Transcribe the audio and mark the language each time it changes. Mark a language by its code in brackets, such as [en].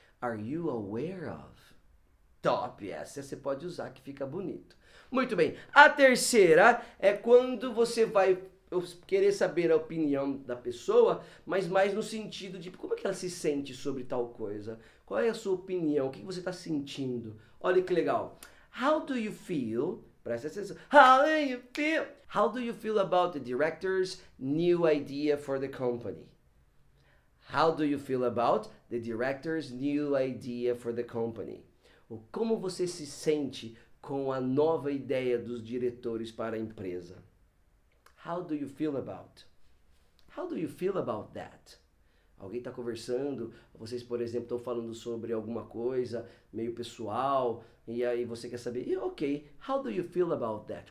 [en] Are you aware of? [pt] Top, essa você pode usar que fica bonito. Muito bem, a terceira é quando você vai querer saber a opinião da pessoa, mas mais no sentido de como é que ela se sente sobre tal coisa. Qual é a sua opinião? O que você está sentindo? Olha que legal. [en] How do you feel? [pt] Presta atenção. [en] How do you feel? How do you feel about the director's new idea for the company? How do you feel about the director's new idea for the company? [pt] Ou como você se sente com a nova ideia dos diretores para a empresa? [en] How do you feel about? How do you feel about that? [pt] Alguém está conversando, vocês, por exemplo, estão falando sobre alguma coisa meio pessoal, e aí você quer saber, ok, [en] how do you feel about that?